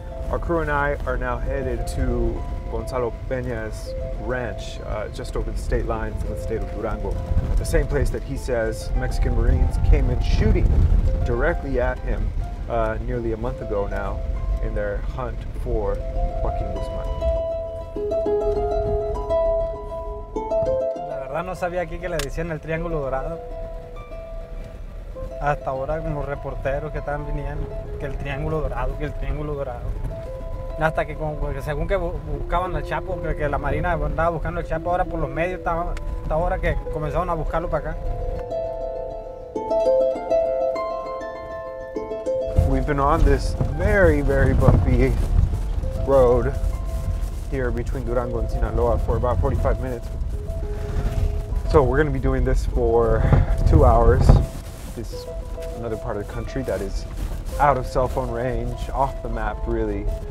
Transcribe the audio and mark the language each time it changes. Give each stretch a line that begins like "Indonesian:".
English: Our crew and I are now headed to Gonzalo Peña's ranch, just over the state line from the state of Durango. The same place that he says Mexican Marines came in shooting directly at him nearly a month ago now in their hunt for Joaquin Guzman.
Spanish: La verdad no sabía aquí que le decían el Triángulo Dorado. Hasta ahora como reporteros que estaban viniendo, que el Triángulo Dorado, que el Triángulo Dorado. Hasta que como, según que buscaban al Chapo, que la Marina andaba buscando al Chapo, ahora por los medios, hasta ahora que comenzaron a buscarlo para acá.
English: We've been on this very, very bumpy road here between Durango and Sinaloa for about 45 minutes. So we're going to be doing this for 2 hours. This is another part of the country that is out of cell phone range, off the map, really.